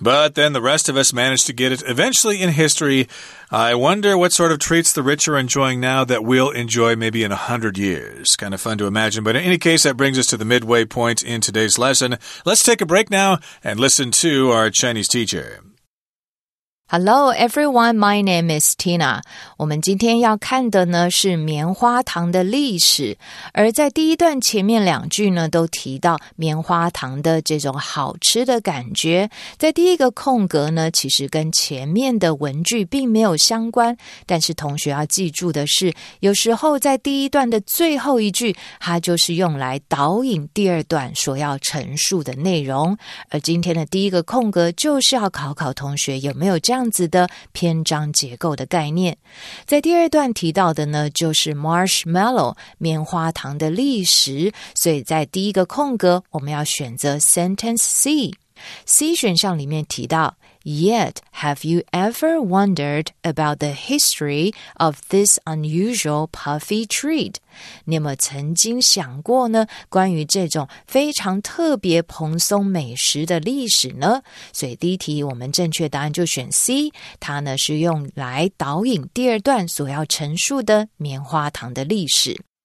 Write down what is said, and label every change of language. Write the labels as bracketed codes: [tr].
[en] But then the rest of us managed to get it eventually in history. I wonder what sort of treats the rich are enjoying now that we'll enjoy maybe in 100 years. Kind of fun to imagine. But in any case, that brings us to the midway point in today's lesson. Let's take a break now and listen to our Chinese teacher. Hello, everyone. My name is Tina. [zh] 我们今天要看的呢是棉花糖的历史。而在第一段前面两句呢都提到棉花糖的这种好吃的感觉。在第一个空格呢其实跟前面的文句并没有相关。但是同学要记住的是有时候在第一段的最后一句它就是用来导引第二段所要陈述的内容。而今天的第一个空格就是要考考同学有没有这样子的篇章结构的概念。在第二段提到的呢就是 marshmallow 棉花糖的历史，所以在第一个空格我们要选择 sentence C。 [en] C [zh] 选项里面提到 [en] Yet have you ever wondered about the history of this unusual puffy treat? [zh] 你有没有曾经想过呢关于这种非常特别蓬松美食的历史呢？所以第一题我们正确答案就选 C， 它呢是用来导引第二段所要陈述的棉花糖的历史。